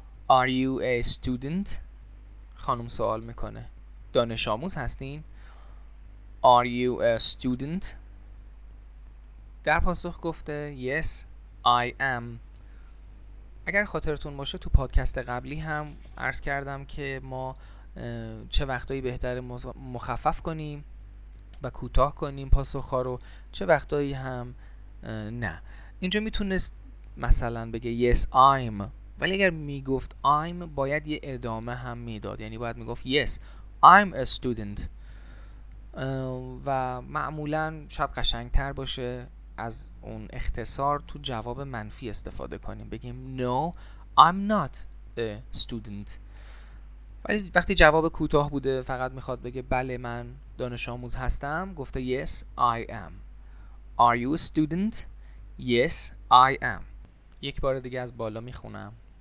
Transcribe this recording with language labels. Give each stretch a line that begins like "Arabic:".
English: Are you a student؟
Persian: خانم سوال میکنه، دانش آموز هستین؟
English: Are you a student؟
Persian: در پاسخ گفته
English: Yes, I am.
Persian: اگر خاطرتون باشه تو پادکست قبلی هم عرض کردم که ما چه وقتایی بهتر مخفف کنیم و کوتاه کنیم پاسخ ها رو، چه وقتایی هم نه. اینجا میتونست مثلا بگه
English: Yes, I'm،
Persian: ولی اگر میگفت I'm باید یه ادامه هم میداد، یعنی باید میگفت
English: Yes, I'm a student،
Persian: و معمولا شاید قشنگ تر باشه از اون اختصار تو جواب منفی استفاده کنیم، بگیم
English: No, I'm not a student.
Persian: ولی وقتی جواب کوتاه بوده فقط میخواد بگه بله من دانش آموز هستم، گفته
English: Yes, I am. Are you a student؟ Yes, I am.
Persian: یک بار دیگه از بالا میخونم.